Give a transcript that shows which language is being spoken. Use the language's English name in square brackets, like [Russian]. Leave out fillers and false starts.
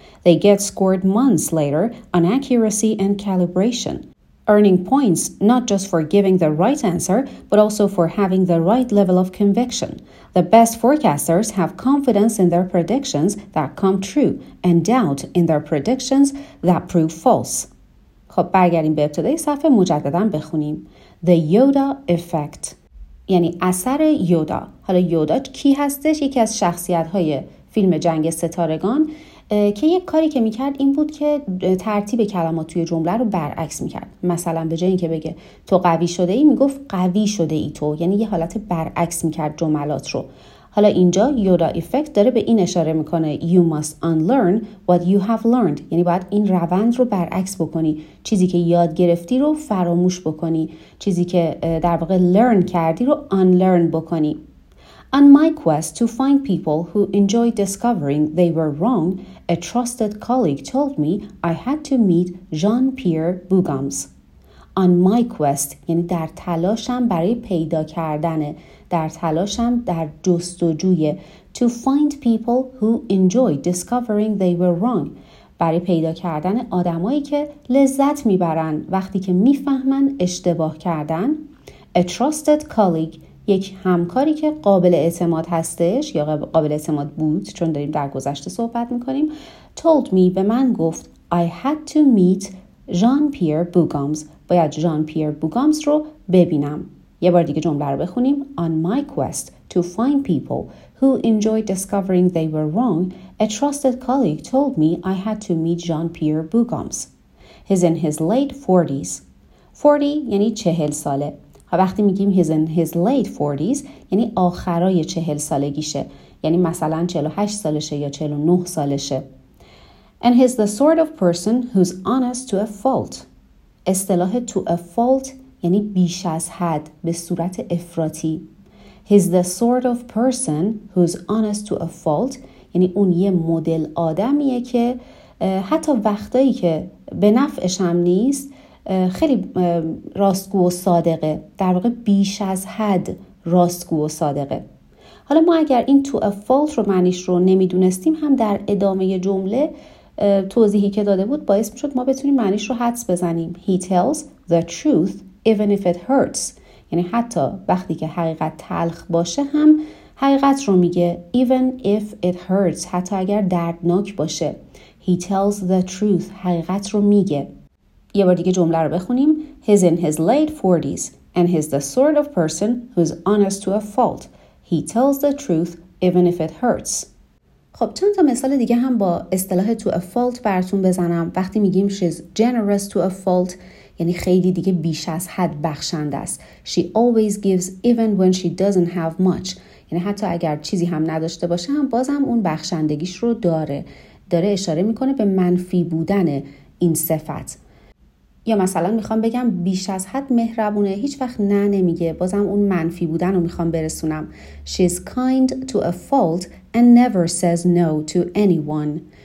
[English] They get scored months later on accuracy and calibration, earning points not just for giving the right answer, but also for having the right level of conviction. The best forecasters have confidence in their predictions that come true and doubt in their predictions that prove false. [Persian] خب برگردیم به ابتدای صفحه مجدداً بخونیم. [English] The Yoda Effect [Persian] یعنی اثر یودا. حالا یودا کی هستش؟ یکی از شخصیت‌های فیلم جنگ ستارگان که یک کاری که میکرد این بود که ترتیب کلمات توی جمله رو برعکس میکرد. مثلا به جای اینکه بگه تو قوی شده ای، میگفت قوی شده ای تو، یعنی یه حالت برعکس میکرد جملات رو. حالا اینجا یودا افکت داره به این اشاره میکنه، [English] You must unlearn what you have learned، [Persian] یعنی باید این روند رو برعکس بکنی، چیزی که یاد گرفتی رو فراموش بکنی، چیزی که در واقع learn کردی رو unlearn بکنی. [English] On my quest to find people who enjoyed discovering they were wrong, a trusted colleague told me I had to meet Jean-Pierre Bougams. On my quest, [Persian] یعنی در تلاشم برای پیدا کردن، در تلاشم در جستجوی، [English] to find people who enjoyed discovering they were wrong، [Persian] برای پیدا کردن آدمایی که لذت میبرن وقتی که میفهمن اشتباه کردن، [English] a trusted colleague، [Persian] یک همکاری که قابل اعتماد هستش یا قابل اعتماد بود، چون داریم در گذشته صحبت میکنیم، [English] told me، [Persian] به من گفت، [English] I had to meet Jean-Pierre Bougams، [Persian] باید Jean-Pierre Bougams رو ببینم. یه بار دیگه جمله رو بخونیم. [English] On my quest to find people who enjoyed discovering they were wrong, a trusted colleague told me I had to meet Jean-Pierre Bougams. He's in his late 40s. 40 [Persian] یعنی 40 ساله. وقتی میگیم [English] he's in his late 40s [Persian] یعنی آخرای 40 سالگیشه، یعنی مثلا 48 سالشه یا 49 سالشه. [English] And he's the sort of person who's honest to a fault. [Persian] اصطلاح [English] to a fault [Persian] یعنی بیش از حد، به صورت افراطی. [English] He's the sort of person who's honest to a fault [Persian] یعنی اون یه مدل آدمیه که حتی وقتایی که به نفعش هم نیست خیلی راستگو و صادقه، در واقع بیش از حد راستگو و صادقه. حالا ما اگر این [English] to a fault [Persian] رو معنیش رو نمیدونستیم، هم در ادامه جمله توضیحی که داده بود باعث میشد ما بتونیم معنیش رو حدس بزنیم. [English] He tells the truth even if it hurts، [Persian] یعنی حتی وقتی که حقیقت تلخ باشه هم حقیقت رو میگه. [English] Even if it hurts، [Persian] حتی اگر دردناک باشه. [English] He tells the truth، [Persian] حقیقت رو میگه. یه بار دیگه جمله رو بخونیم. [English] He's in his late 40s and he's the sort of person who's honest to a fault. He tells the truth even if it hurts. [Persian] خب چند تا مثال دیگه هم با اصطلاح [English] to a fault [Persian] براتون بزنم. وقتی میگیم [English] she's generous to a fault [Persian] یعنی خیلی دیگه بیش از حد بخشنده است. [English] She always gives even when she doesn't have much. [Persian] یعنی حتی اگر چیزی هم نداشته باشه هم بازم اون بخشندگیش رو داره. داره اشاره میکنه به منفی بودن این صفت. یا مثلا میخوام بگم بیش از حد مهربونه، هیچ وقت نه نمیگه، بازم اون منفی بودن رو میخوام برسونم. [English] She's kind to a fault and never says no to anyone.